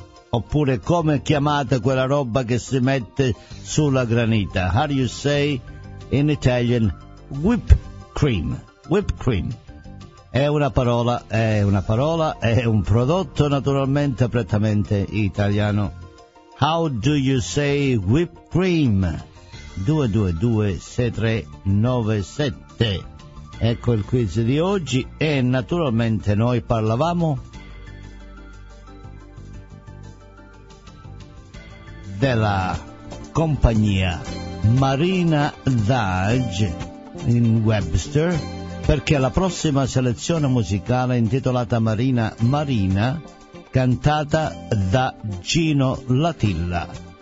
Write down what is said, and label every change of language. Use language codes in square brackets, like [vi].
[it] Oppure come chiamate quella roba che si mette sulla granita? [en] How do you say in Italian whipped cream? [it] Whipped cream è una parola, è un prodotto naturalmente prettamente italiano. [en] How do you say whipped cream? 222-6397. [it] Ecco il quiz di oggi e naturalmente noi parlavamo della compagnia Marina Dodge in Webster, perché la prossima selezione musicale intitolata Marina, cantata da Gino Latilla.